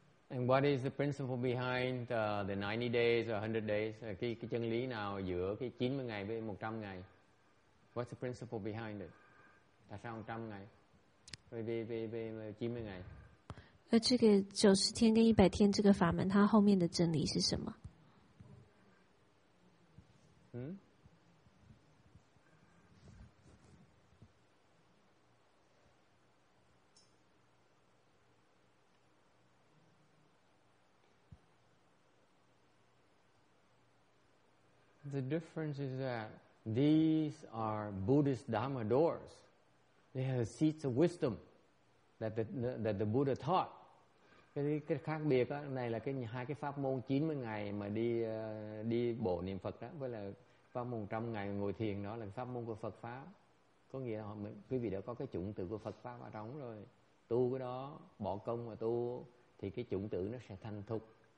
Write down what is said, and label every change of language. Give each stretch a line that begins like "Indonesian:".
English: And what is the principle behind the 90 days or 100 days?
Vietnamese: Cái chân lý nào giữa cái 90 ngày với 100 ngày?
English: What's the principle behind it?
Vietnamese: Tại sao 100 ngày? Về 90 ngày?
Chinese: 这个90天跟100天这个法门，它后面的真理是什么？
English: The difference is that these are Buddhist Dharma doors. They have the seats of wisdom that the Buddha taught.
Vietnamese: Cái khác biệt đó, này là cái hai cái pháp môn 90 ngày mà đi bộ niệm Phật đó, với là pháp môn 100 ngày ngồi thiền đó là pháp môn của Phật Pháp. Có nghĩa là quý vị đã có cái chủng tử của Phật Pháp ở trong rồi. Tu cái đó, bỏ công mà tu thì cái chủng tử nó sẽ thành thục.